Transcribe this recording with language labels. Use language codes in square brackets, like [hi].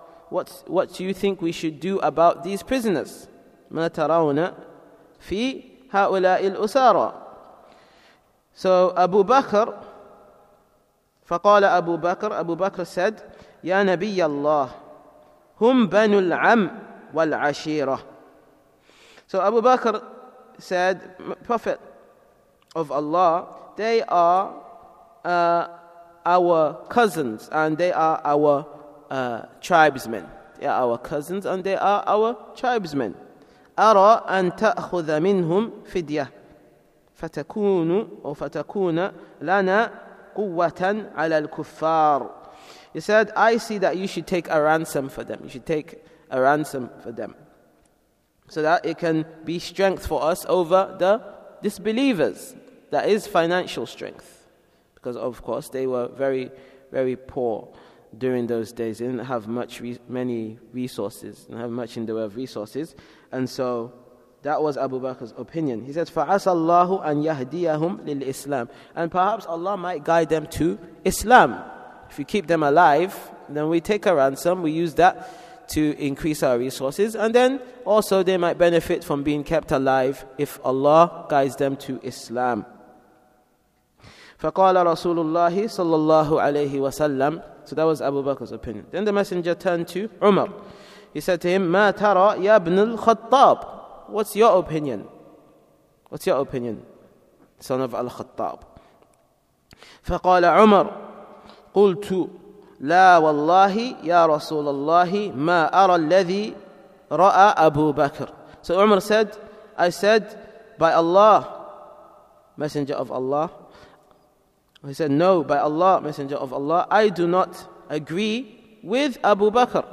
[en] What do you think we should do about these prisoners? [ar] ما ترون في هؤلاء الأسارى. [en] So Abu Bakr, [ar] فقال أبو بكر, [en] Abu Bakr said, [ar] يا نبي الله هم بنو العم والعشيرة. [en] So Abu Bakr said, Prophet of Allah, they are our cousins and they are our tribesmen. They are our cousins and they are our tribesmen. [ar] أرى أن تأخذ منهم فدية فتكون أو فتكون لنا قوة على الكفار. [en] He said, I see that you should take a ransom for them. You should take a ransom for them so that it can be strength for us over the disbelievers. That is financial strength. Because, of course, they were very, very poor during those days. They didn't have many resources. They didn't have much in the way of resources. And so that was Abu Bakr's opinion. He said, [ar] فَعَسَى اللَّهُ أَنْ يَهْدِيَهُمْ لِلْإِسْلَامِ. [en] And perhaps Allah might guide them to Islam. If we keep them alive, then we take a ransom. We use that to increase our resources. And then also they might benefit from being kept alive if Allah guides them to Islam. [ar] فَقَالَ رَسُولُ اللَّهِ صَلَّى اللَّهُ عَلَيْهِ وَسَلَّمُ. [en] So that was Abu Bakr's opinion. Then the messenger turned to Umar. He said to him, [ar] مَا تَرَى يَا بْنُ الْخَطَّابِ. [en] What's your opinion? What's your opinion, son of Al-Khattab? [ar] فَقَالَ عُمَرْ قُلْتُ لَا وَاللَّهِ يَا رَسُولَ اللَّهِ مَا أَرَى الَّذِي رَأَى أَبُو بَكْرِ. [en] So Umar said, I said, by Allah, messenger of Allah, he said, no, by Allah, Messenger of Allah, I do not agree with Abu Bakr.